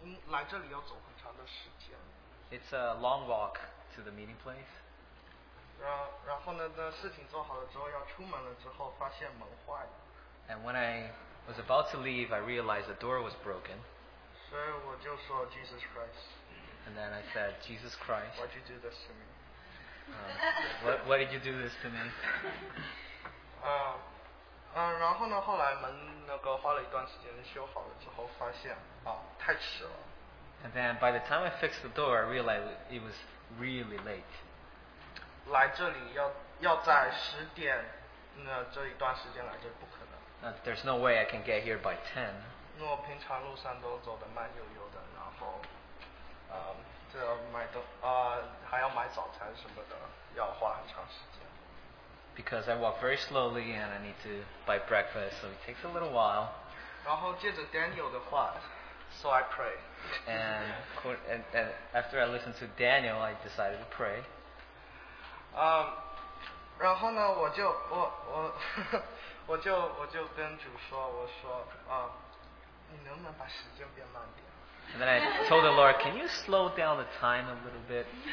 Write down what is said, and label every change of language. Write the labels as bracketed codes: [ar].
[zh] 来这里要走很长的时间。 [en] It's a long walk to the meeting place. [zh] 然后呢，那事情做好了之后，要出门了之后，发现门坏了。 [en] And when I was about to leave, I realized the door was broken. So I said, Jesus Christ. And then I said, Jesus Christ. Why'd you do this to me? Why did you do this to me? [zh] 然后呢，后来门那个花了一段时间修好了之后，发现太迟了。 [en] And then by the time I fixed the door, I realized it was really late. [zh] 来这里要在10:00那这一段时间来这里不可能。 [en] There's no way I can get here by 10. [zh] 因为我平常路上都走得慢悠悠的，然后，这买的还要买早餐什么的，要花很长时间。 [en] Because I walk very slowly and I need to buy breakfast, so it takes a little while. [zh] 然后借着 Daniel 的话 ， [en] so I pray. And after I listened to Daniel, I decided to pray. [zh] 然后呢，我就跟主说，我说你能不能把时间变慢点？ [en] And then I told the Lord, can you slow down the time a little bit?